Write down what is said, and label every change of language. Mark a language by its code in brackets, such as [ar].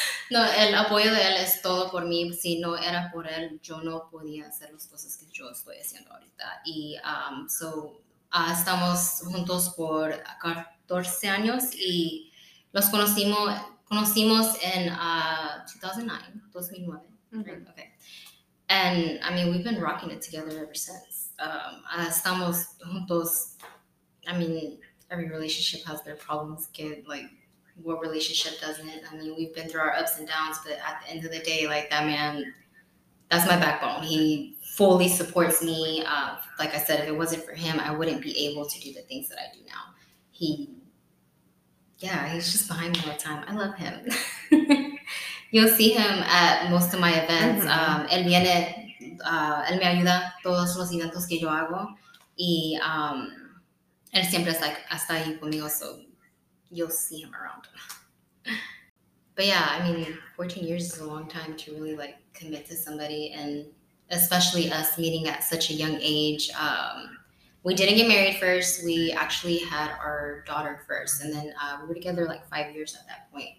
[es] No, el apoyo de él es todo por mí. Si no era por él, yo no podía hacer las cosas que yo estoy haciendo ahorita. Y estamos juntos por 14 años y los conocimos en 2009. Mm-hmm. [en] Okay. And, I mean, we've been rocking it together ever since. [es] Estamos juntos. [en] I mean, every relationship has their problems, what relationship doesn't it? I mean, we've been through our ups and downs, but at the end of the day, like, that man, that's my backbone. He fully supports me. Like I said, if it wasn't for him, I wouldn't be able to do the things that I do now. He's just behind me all the time. I love him. You'll see him at most of my events. Mm-hmm. [es] Él viene, él me ayuda todos los eventos que yo hago. Y él siempre es like, hasta ahí conmigo, so... [en] You'll see him around. But yeah, I mean, 14 years is a long time to really like commit to somebody, and especially us meeting at such a young age. We didn't get married first. We actually had our daughter first, and then we were together like 5 years at that point.